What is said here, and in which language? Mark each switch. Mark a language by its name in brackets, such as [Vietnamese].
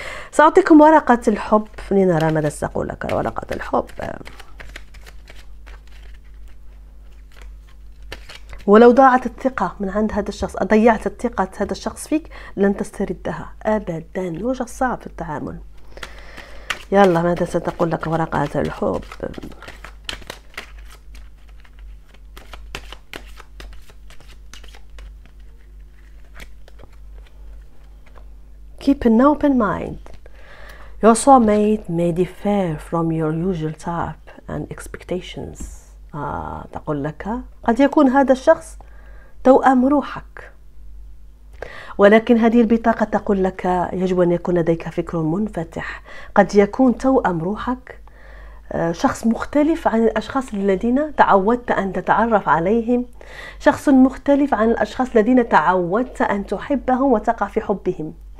[Arabic] سأعطيكم ورقة الحب لنرى ماذا سأقول لك. ورقة الحب، ولو ضاعت الثقة من عند هذا الشخص، أضيعت الثقة هذا الشخص فيك، لن تستردها أبدا، وجه صعب في التعامل. يلا ماذا ستقول لك ورقة الحب؟ [English] Keep an open mind. Your soulmate may differ from your usual type and expectations. [Arabic] تقول لك قد يكون هذا الشخص توأم روحك، ولكن هذه البطاقة تقول لك يجب أن يكون لديك فكر منفتح. قد يكون توأم روحك شخص مختلف عن الأشخاص الذين تعودت أن تتعرف عليهم، شخص مختلف عن الأشخاص الذين تعودت أن تحبهم وتقع في حبهم.